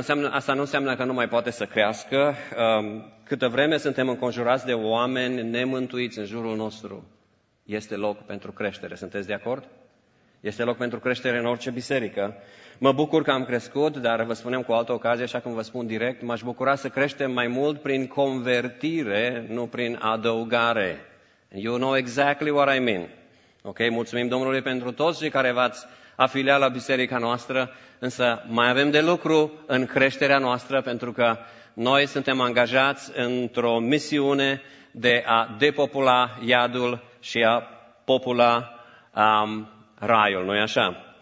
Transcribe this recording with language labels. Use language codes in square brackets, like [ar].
[ro] Asta nu înseamnă că nu mai poate să crească. Câtă vreme suntem înconjurați de oameni nemântuiți în jurul nostru, este loc pentru creștere. Sunteți de acord? Este loc pentru creștere în orice biserică. Mă bucur că am crescut, dar vă spunem cu altă ocazie, așa cum vă spun direct, m-aș bucura să creștem mai mult prin convertire, nu prin adăugare. [en] You know exactly what I mean. [ro] Ok, mulțumim Domnului pentru toți cei care v-ați afiliat la biserica noastră, însă mai avem de lucru în creșterea noastră, pentru că noi suntem angajați într-o misiune de a depopula iadul și a popula raiul, nu-i așa?